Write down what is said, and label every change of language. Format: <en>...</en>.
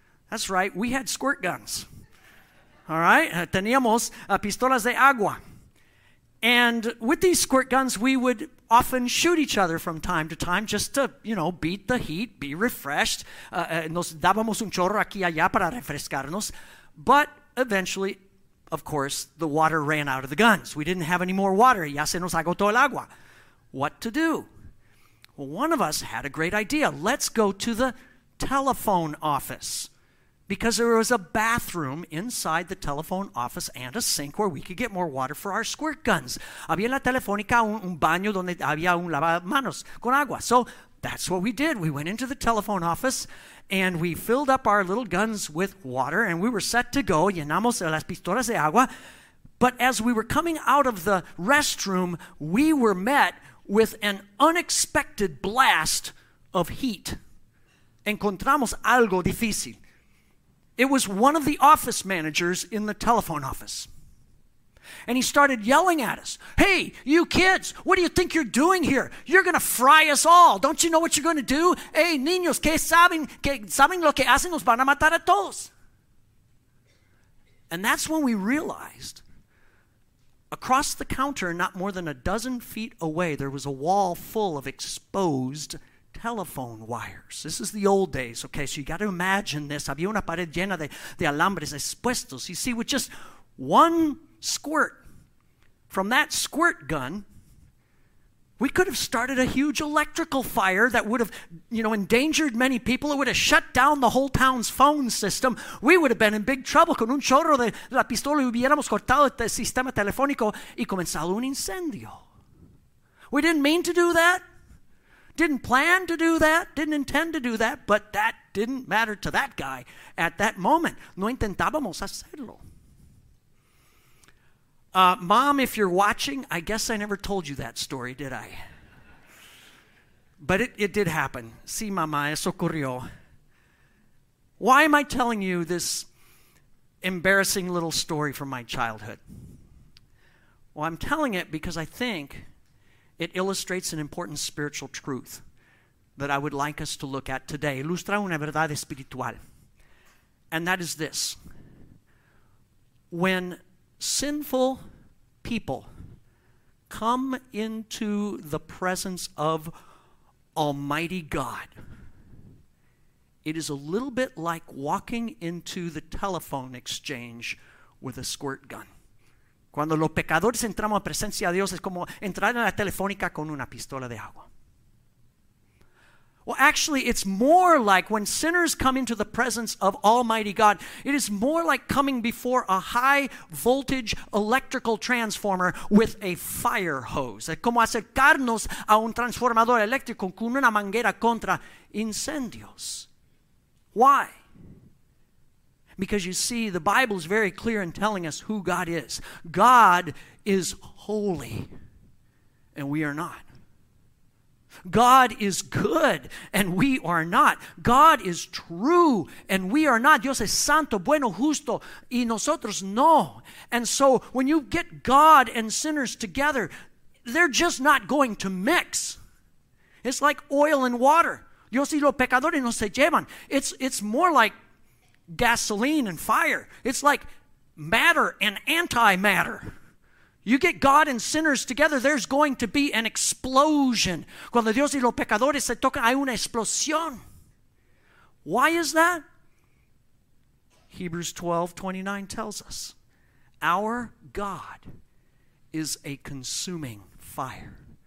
<en>That's right, we had squirt guns. All right,</en> <es>teníamos pistolas de agua.</es> <en>And with these squirt guns, we would often shoot each other from time to time just to, you know, beat the heat, be refreshed.</en> <es>Nos dábamos un chorro aquí allá para refrescarnos.</es> <en>But eventually, of course, the water ran out of the guns. We didn't have any more water.</en> <es>Ya se nos agotó el agua.</es> <en>What to do? Well, one of us had a great idea. Let's go to the telephone office. Because there was a bathroom inside the telephone office and a sink where we could get more water for our squirt guns.</en> <es>Había en la telefónica un baño donde había un lavamanos con agua.</es> <en>So that's what we did. We went into the telephone office and we filled up our little guns with water and we were set to go.</en> <es>Llenamos las pistolas de agua.</es> <en>But as we were coming out of the restroom, we were met with an unexpected blast of heat.</en> <es>Encontramos algo difícil.</es> <en>It was one of the office managers in the telephone office. And he started yelling at us. Hey, you kids, what do you think you're doing here? You're going to fry us all. Don't you know what you're going to do?</en> <es>Hey, niños, ¿qué saben lo que hacen? Nos van a matar a todos.</es> <en>And that's when we realized, across the counter, not more than a dozen feet away, there was a wall full of exposed telephone wires. This is the old days, okay? So you got to imagine this.</en> <es>Había una pared llena de alambres expuestos.</es> <en>You see, with just one squirt from that squirt gun, we could have started a huge electrical fire that would have, you know, endangered many people. It would have shut down the whole town's phone system. We would have been in big trouble.</en> <es>Con un chorro de la pistola hubiéramos cortado el sistema telefónico y comenzado un incendio.</es> <en>We didn't mean to do that. Didn't plan to do that, didn't intend to do that, but that didn't matter to that guy at that moment.</en> <es>No intentábamos hacerlo.</es> <en>Mom, if you're watching, I guess I never told you that story, did I? But it did happen.</en> <es>Sí, mamá, eso ocurrió.</es> <en>Why am I telling you this embarrassing little story from my childhood? Well, I'm telling it because I think it illustrates an important spiritual truth that I would like us to look at today.</en> <es>Ilustra una verdad espiritual.</es> <en>And that is this. When sinful people come into the presence of Almighty God, it is a little bit like walking into the telephone exchange with a squirt gun.</en> <es>Cuando los pecadores entramos a presencia de Dios, es como entrar en la telefónica con una pistola de agua.</es> <en>Well, actually, it's more like when sinners come into the presence of Almighty God, it is more like coming before a high-voltage electrical transformer with a fire hose.</en> <es>Es como acercarnos a un transformador eléctrico con una manguera contra incendios.</es> <en>Why? Because you see, the Bible is very clear in telling us who God is. God is holy, and we are not. God is good, and we are not. God is true, and we are not.</en> <es>Dios es santo, bueno, justo, y nosotros no.</es> <en>And so when you get God and sinners together, they're just not going to mix. It's like oil and water.</en> <es>Dios y los pecadores no se llevan.</es> <en>It's more like gasoline and fire. It's like matter and antimatter. You get God and sinners together, there's going to be an explosion.</en> <es>Cuando Dios y los pecadores se tocan, hay una explosión.</es> <en>Why is that? Hebrews 12:29 tells us, our God is a consuming fire.</en>